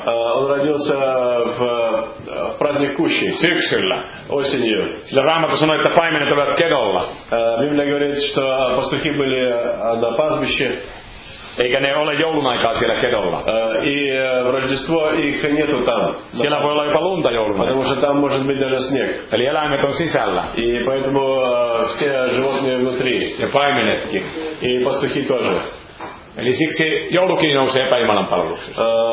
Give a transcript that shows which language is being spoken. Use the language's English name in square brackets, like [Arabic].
[Russian] Он родился в праздник Кущи. [Finnish] Syksyllä. [Russian] Осенью. [Finnish] Sillä Raamattu sanoi, että paimenet olivat kedolla. [Russian] Библия говорит, что пастухи были на пастбище. [Finnish] Eikä ne ole joulun aikaa siellä kedolla. [Russian] В Рождество их нету там. [Finnish] Siellä voi olla jopa lunta joulun aikaa. [Russian] Потому что там может быть даже снег. [Finnish] Eli eläimet on sisällä. [Russian] И поэтому все животные внутри. [Finnish] Ja paimenetkin. [Russian] И пастухи тоже. [Finnish] Eli siksi joulukin nousee epäjumalan palveluksessa.